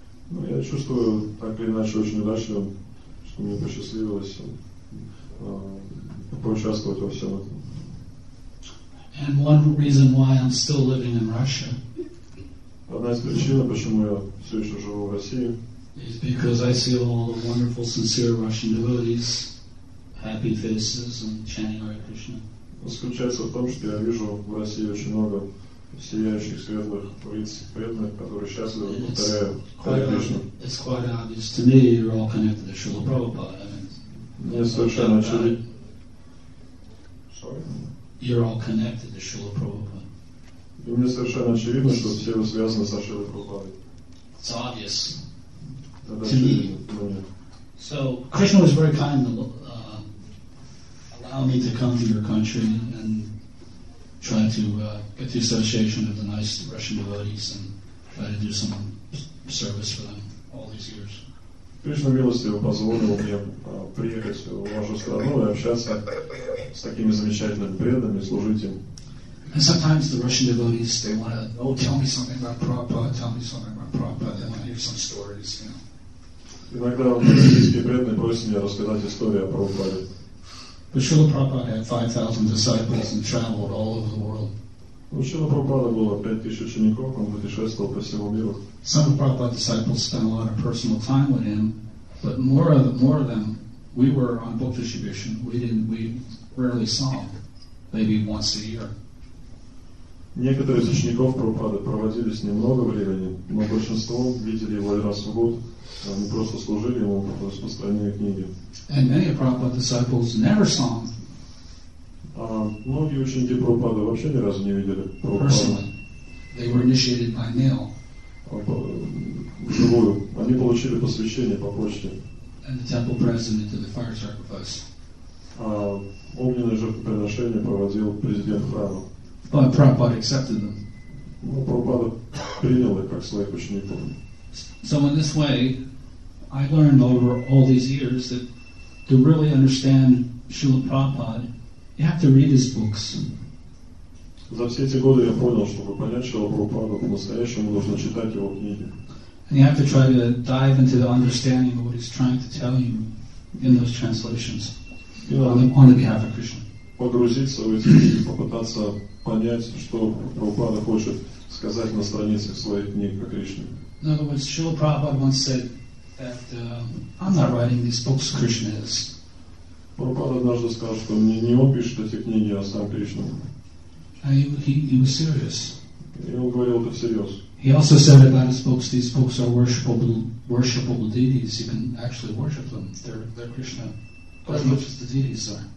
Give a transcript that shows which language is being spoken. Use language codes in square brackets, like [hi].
[ru] Ну, я чувствую так или иначе очень удачно, что мне посчастливилось поучаствовать во всем этом. [en] And one reason why I'm still living in Russia. [ru] Одна из причин, почему я все еще живу в России. [en] Is because I see all the wonderful, sincere Russian devotees, happy faces, and chanting Hare Krishna. [ru] Заключается в том, что я вижу в России очень много сияющих, светлых лиц, преданных, которые счастливы, повторяют Hare Krishna. [en] It's quite obvious to me you're all connected to Srila Prabhupada. [ru] Мне совершенно очевидно. [en] Sorry? You're all connected to Srila Prabhupada. [ru] И мне совершенно очевидно, что все вы связаны со Шрилой Прабхупадой. [en] It's obvious to me. So, Krishna was very kind to allow me to come to your country and try to get the association of the nice Russian devotees and try to do some service for them all these years. [ru] Кришна милостиво позволил мне приехать в вашу страну и общаться с такими замечательными преданными, служить им. [en] And sometimes the Russian devotees, they want to, oh, tell me something about Prabhupada, tell me something about Prabhupada, they want to hear some stories, you know. [ru] Иногда российские преданные просят меня рассказать историю о Прабхупаде. [en] But Srila Prabhupada had 5,000 disciples and traveled all over the world. [ru] Srila Prabhupada было 5,000 учеников, он путешествовал по всему миру. [en] Some of Prabhupada's disciples spent a lot of personal time with him, but more of them, we were on book distribution. We rarely saw him, maybe once a year. [ru] Некоторые из учеников Прабхупады проводили с ним много времени, но большинство видели его раз в год. Они просто служили ему, просто распространяли книги. [en] And many of Prabhupada's disciples never saw him. [ru] Многие ученики Прабхупады вообще ни разу не видели Прабхупаду. [en] Personally, they were initiated by mail. [ru] Вживую. Они получили посвящение по почте. [en] And the temple president did the fire sacrifice. [ru] Огненное жертвоприношение проводил президент храма. [en] But Prabhupada accepted them. [ru] Но Прабхупада принял их как своих учеников. [en] So in this way, I learned over all these years that to really understand Srila Prabhupada, you have to read his books. [ru] За все эти годы я понял, чтобы понять Шрилу Прабхупаду по-настоящему, нужно читать его книги. [en] And you have to try to dive into the understanding of what he's trying to tell you in those translations on the behalf of Krishna. [ru] Погрузиться в эти книги, попытаться понять, что Прабхупада хочет сказать на страницах своих книг о Кришне. [en] In other words, Srila Prabhupada once said that I'm not writing these books, Krishna is. [ru] Prabhupada однажды сказал, что не он пишет эти книги, а сам Кришна. [en] He was serious. [ru] И он говорил это всерьез. [en] He also said about his books, these books are worshipable deities. You can actually worship them. They're Krishna. As much as the deities are.